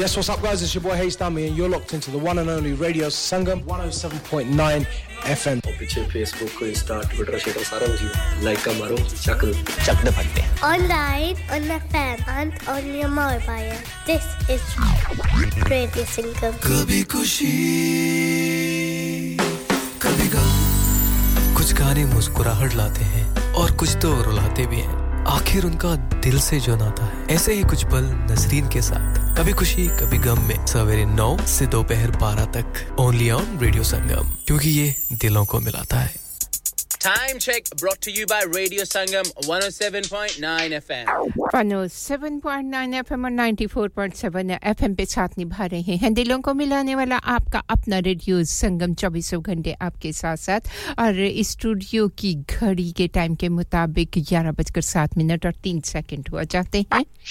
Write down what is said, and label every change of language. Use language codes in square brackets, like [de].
[en] yes what's up guys it's your boy ਹੇਈ ਸਟਾਮੀ and you are locked in to the one and only radio Sangam 107.9 FM [pa] ਪਿੱਛੇ Facebook ਕੋ Insta Twitter share ਸਾਰੇ ਮੁਝੇ like ਕਰ ਮਾਰੋ ਚੱਕ ਚੱਕ ਦੇ ਫੱਟੇ [en] online on the FM and on your mobile this is radio Sangam [hi] ਕਭੀ ਖੁਸ਼ੀ ਕਭੀ ਗਮ ਕੁਝ ਗਾਣੇ ਮੁਸਕੁਰਾਹਟ ਲਾਤੇ ਹੈ ਔਰ ਕੁਝ ਤੋ ਰੁਲਾਤੇ ਵੀ ਹੈ आखिर उनका दिल से जो नाता है ऐसे ही कुछ पल नसरीन के साथ कभी खुशी कभी गम में सवेरे 9 से दोपहर 12 तक ओनली ऑन रेडियो संगम क्योंकि ये दिलों को मिलाता है [en] Time check brought to you by Radio Sangam 107.9 FM. [hi] 107.9 FM और 94.7 FM पे साथ निभा रहे हैं दिलों को मिलाने वाला आपका अपना रेडियो संगम 24 घंटे आपके साथ साथ और स्टूडियो की घड़ी के टाइम के मुताबिक 11:07 और 3 सेकंड हो जाते हैं